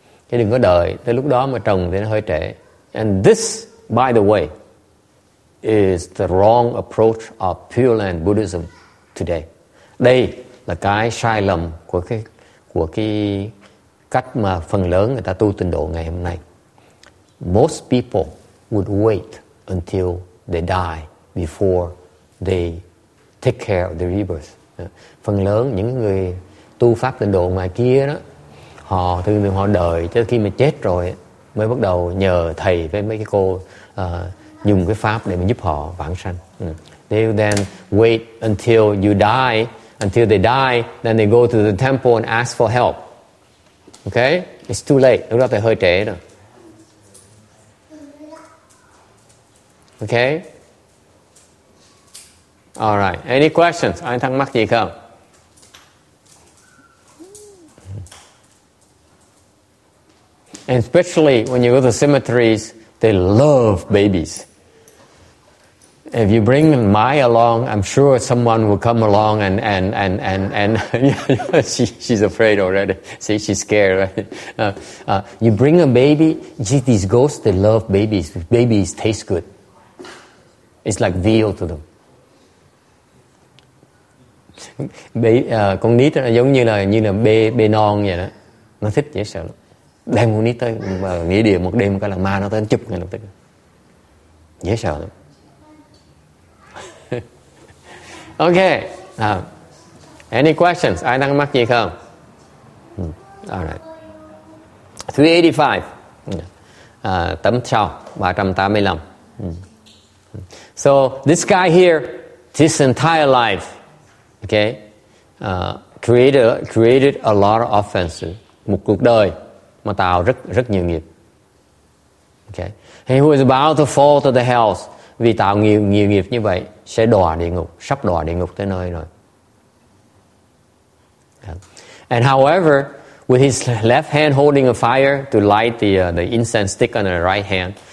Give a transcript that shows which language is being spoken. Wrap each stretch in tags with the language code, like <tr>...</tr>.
<vi>Chứ đừng có đợi tới lúc đó mà trồng thì nó hơi trễ.</vi> <en>And this, by the way, is the wrong approach of Pure Land Buddhism today.</en> <vi>Đây là cái sai lầm của cái cách mà phần lớn người ta tu tịnh độ ngày hôm nay.</vi> <en>Most people would wait until they die before they take care of the rebirth.</en> <vi>Phần lớn những người tu pháp tịnh độ ngoài kia đó, họ thường thường họ đợi cho khi mà chết rồi mới bắt đầu nhờ thầy với mấy cái cô dùng cái pháp để mà giúp họ vãng sanh.</vi> <en>They then wait until you die, until they die, then they go to the temple and ask for help. Okay? It's too late.</en> <vi>Lúc đó thì hơi trễ rồi.</vi> <en>Okay? All right. Any questions?</en> <vi>Ai thắc mắc gì không?</vi> <en>And especially when you go to cemeteries, they love babies. If you bring Mai along, I'm sure someone will come along and she's afraid already. See, she's scared. Right? You bring a baby. See, these ghosts, they love babies. Babies taste good. It's like veal to them.</en> <vi>bé con nít nó giống như là bê bê non vậy đó, nó thích dễ sợ lắm. Đem con nít tới mà nghỉ điều một đêm cái là ma nó tới nó chụp ngay lập tức, dễ sợ lắm.</vi> <en>Ok, any questions?</en> <vi>Ai đang mắc gì không?</vi> <en>Alright.</en> <vi>385. Tấm sau 385.</vi> <en>So this guy here, his entire life, okay, created a lot of offenses.</en> <vi>Một cuộc đời mà tạo rất rất nhiều nghiệp.</vi> <en>Okay. And he was about to fall to the hells.</en> <vi>Vì tạo nhiều nhiều nghiệp như vậy sẽ đọa địa ngục, sắp đọa địa ngục tới nơi rồi.</vi> <en>And however, with his left hand holding a fire to light the incense stick on the right hand.</en>